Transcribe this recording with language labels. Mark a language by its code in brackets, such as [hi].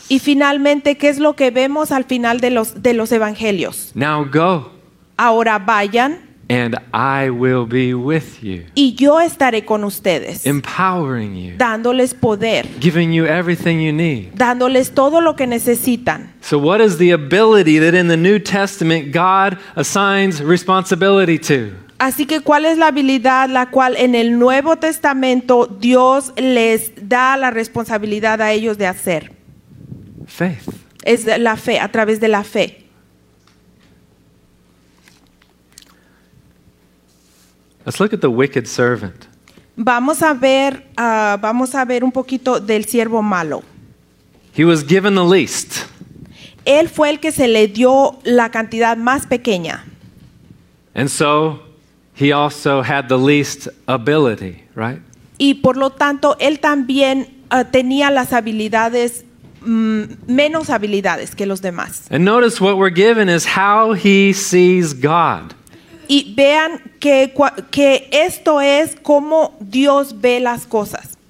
[es] Y finalmente, ¿qué es lo que vemos al final de los Evangelios? [en] Now go. [es] Ahora vayan. [en] And I will be with you. [es] Y yo estaré con ustedes. [en] Empowering you. [es] Dándoles poder. [en] Giving you everything you need. [es] Dándoles todo lo que necesitan. [en] So what is the ability that in the New Testament God assigns responsibility to? [es] Así que ¿cuál es la habilidad la cual en el Nuevo Testamento Dios les da la responsabilidad a ellos de hacer? [en] Faith. [es] Es la fe, a través de la fe. [en] Let's look at the wicked servant. [es] Vamos a ver un poquito del siervo malo. [en] He was given the least. [es] Él fue el que se le dio la cantidad más pequeña. [en] And so he also had the least ability, right? [es] Y por lo tanto él también tenía las habilidades menos habilidades que los demás. [en] And notice what we're given is how he sees God. [es] Y vean que esto es cómo Dios ve las cosas.